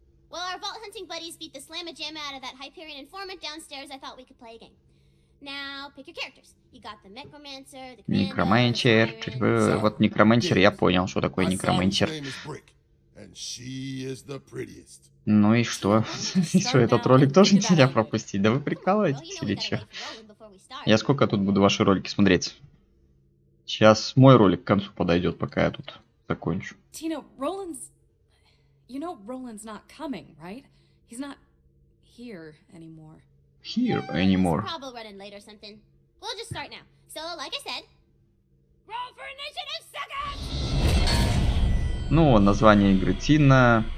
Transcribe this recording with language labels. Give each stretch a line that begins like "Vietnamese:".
English: Well, our vault hunting buddies beat the slamma jamma out of that Hyperion informant downstairs. I thought we could play a game. Now, pick your characters. You got the Necromancer, the Commander, Necromancer. The Tyrant.
Russian: Вот Necromancer, я понял, что такое Necromancer.
English: And she is the prettiest.
Russian: Ну и что? Что, этот ролик тоже нельзя пропустить? Да вы прикалываетесь или что? Я сколько тут буду ваши ролики смотреть? Сейчас мой ролик к концу подойдет, пока я тут закончу. Тина, Роланд...
English: You know Roland's not coming, right? He's not here anymore. Here anymore. He's probably running late or something. We'll just start now. So, like I said, roll for initiative, sucker!
Russian: Ну, название игры Тина.